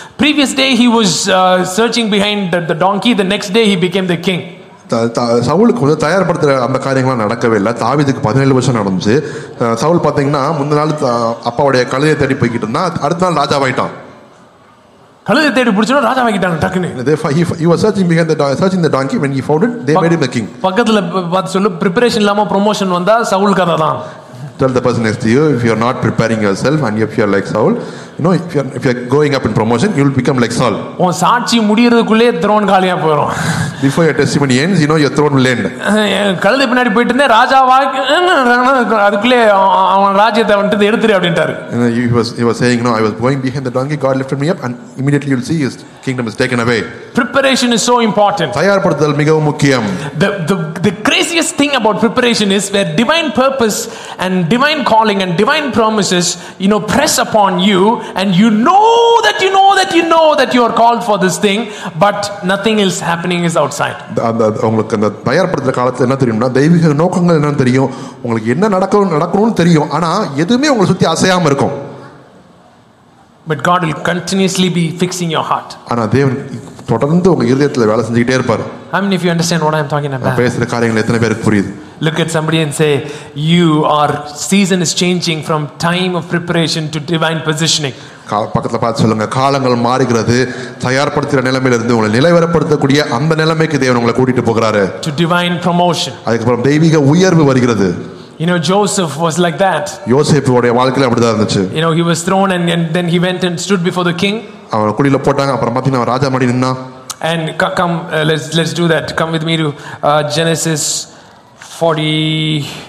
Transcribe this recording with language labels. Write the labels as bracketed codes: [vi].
[en] Previous day he was searching behind the donkey, the next day he became the king. [ta] Saul கொஞ்சம் தயார்படுத்துற அந்த காரியங்களாம் நடக்கவே இல்லை. தாவீதுக்கு 17 வருஷம் நடந்துச்சு. சவுல் பாத்தீங்கன்னா முந்தின நாள் அப்பாவுடைய கழுதையை தேடி போய்கிட்டு இருந்தான், அடுத்த நாள் ராஜாவாயிட்டான். கழுதை தேடி பிடிச்சா ராஜா வாங்கிட்டாங்க டக்குன்னு. [en] They were searching behind the donkey. When he found it, they made him the king. [ta] பக்கத்துல பார்த்து சொல்லு, preparation இல்லாம promotion வந்தா சவுல் கதை தான். [en] Tell the person next to you, if you are not preparing yourself and if you are like Saul, you know, if you are going up in promotion, you will become like Saul. [ta] உன் சாட்சி முடியறதுக்குள்ளே throne காலியா போறோம். [en] Before your testimony ends, you know, your throne will end. [ta] கழுதை பின்னாடி போயிட்டு இருந்தேன், ராஜா அதுக்குள்ளே அவன் ராஜ்யத்தை வந்துட்டு எடுத்துரு அப்படின்ட்டாரு. [en] He was saying, "No, I was going behind the donkey, God lifted me up, and immediately you'll see his kingdom is taken away." Preparation is so important. [ta] தயார்படுத்துதல் மிகவும் முக்கியம். [en] The craziest thing about preparation is where divine purpose and divine calling and divine promises, you know, press upon you, and you know that you know that you know that you are called for this thing, but nothing is happening is outside. [ta] உங்களுக்கு அந்த தயார்படுத்துற காலத்துல என்ன தெரியும்னா, தெய்வீக நோக்கங்கள் என்னன்னு தெரியும், உங்களுக்கு என்ன நடக்கணும்னு தெரியும், ஆனா எதுவுமே உங்களை சுத்தி அசையாம இருக்கும். [en] But God will continuously be fixing your heart. [ta] ஆனா தேவன் தொடர்ந்து உங்க இதயத்துல வேலை செஞ்சுக்கிட்டே இருப்பாரு. [en] I mean, if you understand what I am talking about. [ta] பேசுற காரியங்கள் எத்தனை பேருக்கு புரியுது? [en] Look at somebody and say, "You are, season is changing from time of preparation to divine positioning." [ta] பக்கத்துல பார்த்து சொல்லுங்க, காலங்கள் மாறுகிறது. தயார்படுத்துற நிலைமையில இருந்து உங்களை நிலைவரப்படுத்தக்கூடிய அந்த நிலைமைக்கு தேவன் உங்களை கூட்டிட்டு போகிறாரு. [en] To divine promotion. [ta] அதுக்கப்புறம் தெய்வீக உயர்வு வருகிறது. [en] You know, Joseph was like that. He was thrown and then he went and stood before the king. And let's do that. Come with me to Genesis 40.